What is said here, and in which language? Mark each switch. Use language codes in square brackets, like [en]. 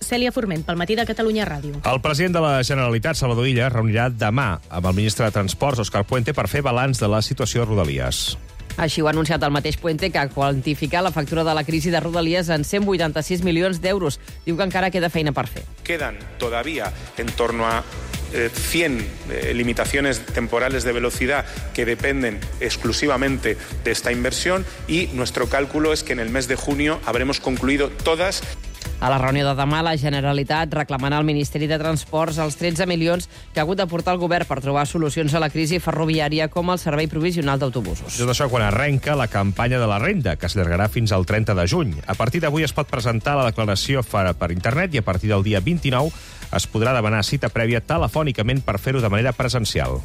[ca] Cèlia Forment, pel matí de Catalunya Ràdio. El president de la Generalitat, Salvador Illa, reunirà demà amb el ministre de Transports, Òscar Puente, per fer balanç de la situació de Rodalies. Així ho ha anunciat el mateix Puente, que ha quantificat la factura de la crisi de Rodalies en 186 milions d'euros. Diu que encara queda feina per fer. [es] Quedan todavía en torno a 100 limitaciones temporales de velocidad que dependen exclusivamente de esta inversión y nuestro cálculo es que en el mes de junio habremos concluido todas. [ca] A la reunió de demà, la Generalitat reclamarà al Ministeri de Transports els 13 milions que ha hagut de portar el govern per trobar solucions a la crisi ferroviària com el servei provisional d'autobusos. Tot això quan arrenca la campanya de la renda, que s'allargarà fins al 30 de juny. A partir d'avui es pot presentar la declaració per internet i a partir del dia 29 es podrà demanar cita prèvia telefònicament per fer-ho de manera presencial.